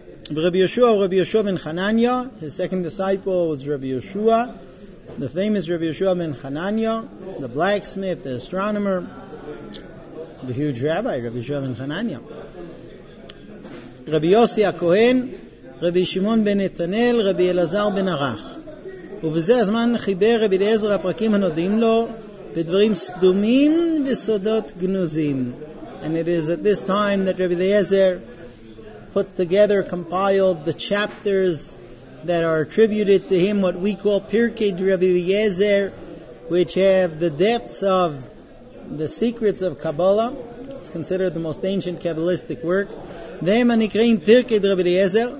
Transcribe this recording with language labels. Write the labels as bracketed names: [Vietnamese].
[English] Rabbi Yeshua ben Hanania, his second disciple was Rabbi Yeshua. The famous Rabbi Yeshua ben Hanania, the blacksmith, the astronomer, the huge rabbi, Rabbi Yeshua ben Hanania. Rabbi Yossi HaKohen, Rabbi Shimon ben Etanel, Rabbi Elazar ben Arach. [Hebrew] ובזה הזמן חיבר רבי אליעזר הפרקים הנודעים לו בדברים סדומים וסודות גנוזים. [English] And it is at this time that Rabbi Eliezer put together, compiled the chapters that are attributed to him, what we call Pirkei Rabbi Eliezer, which have the depths of the secrets of Kabbalah. It's considered the most ancient Kabbalistic work. Them anikrein Pirkei Rabbi Eliezer.